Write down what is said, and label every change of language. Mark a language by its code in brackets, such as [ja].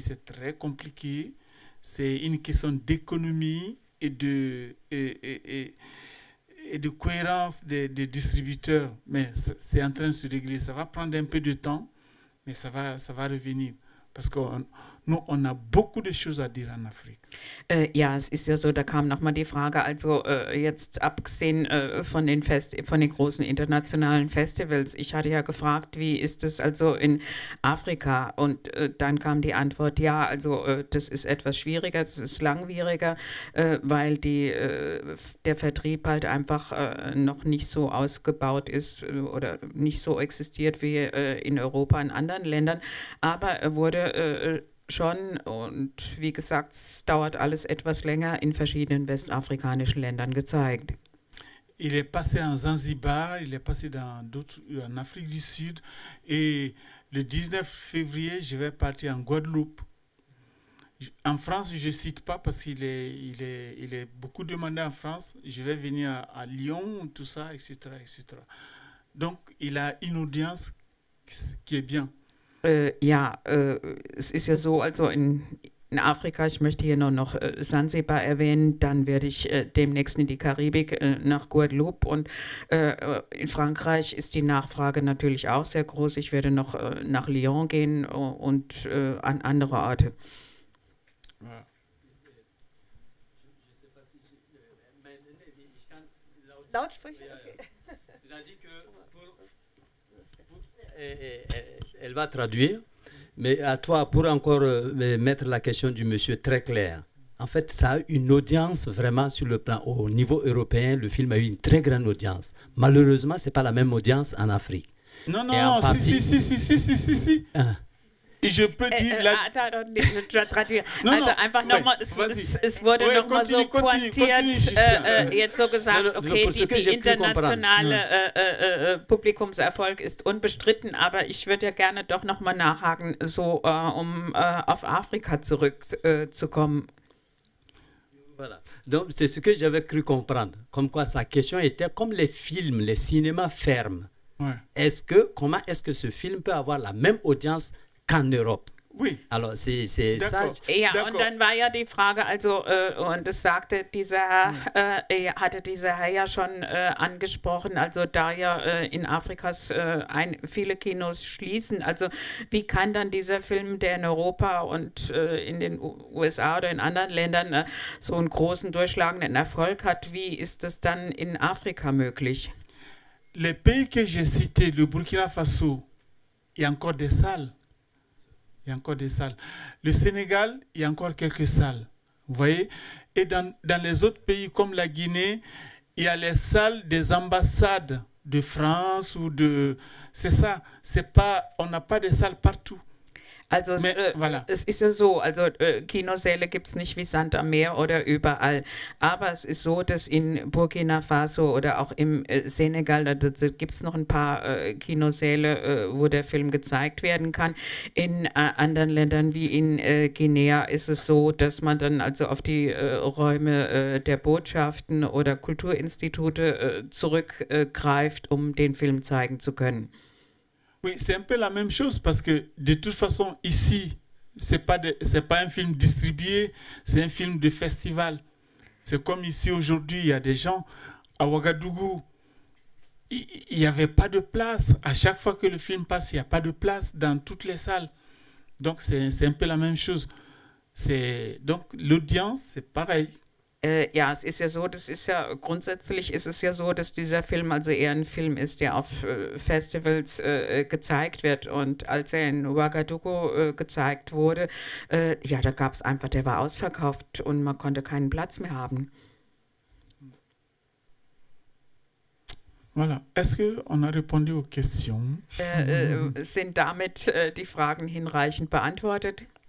[fr] C'est très compliqué. C'est une question d'économie et de cohérence des distributeurs. Mais c'est en train de se régler. Ça va prendre un peu de temps, mais ça va revenir. Parce que nous, on a beaucoup de choses à dire en Afrique. [de] Ja, es ist ja so, da kam nochmal die Frage, also jetzt abgesehen von den großen internationalen Festivals, ich hatte ja gefragt, wie ist es also in Afrika? Und dann kam die Antwort, ja, also das ist etwas schwieriger, das ist langwieriger, weil der Vertrieb halt einfach noch nicht so ausgebaut ist oder nicht so existiert wie in Europa, in anderen Ländern. Aber schon, und wie gesagt, es dauert alles etwas länger in verschiedenen westafrikanischen Ländern gezeigt. [fr] Il est passé en Zanzibar, il est passé dans d'autres, en Afrique du Sud. Et le 19 février, je vais partir en Guadeloupe. En France, je ne cite pas parce qu'il est beaucoup demandé en France. Je vais venir à Lyon, tout ça, etc., etc. Donc, il a une audience qui est bien. [de] Es ist ja so, also in Afrika, ich möchte hier noch Sansibar erwähnen, dann werde ich demnächst in die Karibik nach Guadeloupe und in Frankreich ist die Nachfrage natürlich auch sehr groß. Ich werde noch nach Lyon gehen und an andere Orte. Lautsprecher, okay. [fr] Elle va traduire, mais à toi, pour encore mettre la question du monsieur très claire, en fait, ça a eu une audience vraiment sur le plan au niveau européen. Le film a eu une très grande audience. Malheureusement, ce n'est pas la même audience en Afrique. Non, non, non, si, si, si, si, si, si, si, si. Je peux dire la... Attends, [de] also einfach nochmal, es wurde nochmal so pointiert, jetzt so gesagt, okay, die internationale Publikumserfolg ist unbestritten, aber ich würde ja gerne doch nochmal nachhaken, so um auf Afrika zurückzukommen. [fr] Voilà. Donc, c'est ce que j'avais cru comprendre. Comme quoi, sa question était, comme les films, les cinémas ferment, ouais. Est-ce que, comment est-ce que ce film peut avoir la même audience qu'en Europe? Oui. Alors, c'est ça. [de] Ja, und dann war ja die Frage, also, und es sagte dieser Herr, hatte dieser Herr ja schon angesprochen, also da ja in Afrikas viele Kinos schließen, also wie kann dann dieser Film, der in Europa und in den USA oder in anderen Ländern so einen großen durchschlagenden Erfolg hat, wie ist das dann in Afrika möglich? [fr] Les pays que j'ai cité, le Burkina Faso, il y a encore des salles. Il y a encore des salles. Le Sénégal, il y a encore quelques salles. Vous voyez? Et dans les autres pays comme la Guinée, il y a les salles des ambassades de France ou de... C'est ça. C'est pas, on n'a pas des salles partout. [de] Also es, [fr] voilà. [de] Es ist ja so, also Kinosäle gibt es nicht wie Sand am Meer oder überall, aber es ist so, dass in Burkina Faso oder auch im Senegal, da gibt es noch ein paar Kinosäle, wo der Film gezeigt werden kann. In anderen Ländern wie in Guinea ist es so, dass man dann also auf die Räume der Botschaften oder Kulturinstitute zurückgreift, um den Film zeigen zu können. [fr] Oui, c'est un peu la même chose parce que de toute façon ici, c'est pas un film distribué, c'est un film de festival. C'est comme ici aujourd'hui, il y a des gens à Ouagadougou, il y avait pas de place. À chaque fois que le film passe, il y a pas de place dans toutes les salles. Donc c'est un peu la même chose. C'est donc l'audience, c'est pareil. [de] Ja, es ist ja so, das ist ja grundsätzlich ist es ja so, dass dieser Film also eher ein Film ist, der auf Festivals gezeigt wird. Und als er in Ouagadougou gezeigt wurde, ja, da gab es einfach, der war ausverkauft und man konnte keinen Platz mehr haben. [fr] Voilà. Est-ce que on a répondu aux questions? [de] Sind damit die Fragen hinreichend beantwortet?